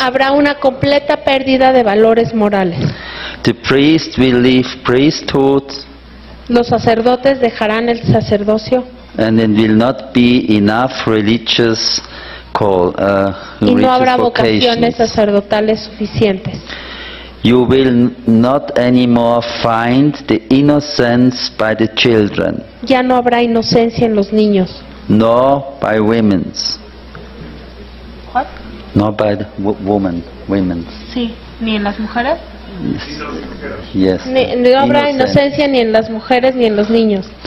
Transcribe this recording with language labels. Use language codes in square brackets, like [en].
[es] Habrá una completa pérdida de valores morales. [en] The priest will leave priesthood. [es] Los sacerdotes dejarán el sacerdocio. [en] And it will not be enough religious call. [es] Y no habrá vocaciones sacerdotales suficientes. [en] You will not anymore find the innocence by the children. [es] Ya no habrá inocencia en los niños. [en] Nor by women. What? Nor by the women. Women. [es] Sí, ni en las mujeres. [en] Yes. [es] No habrá inocencia ni en las mujeres ni en los niños.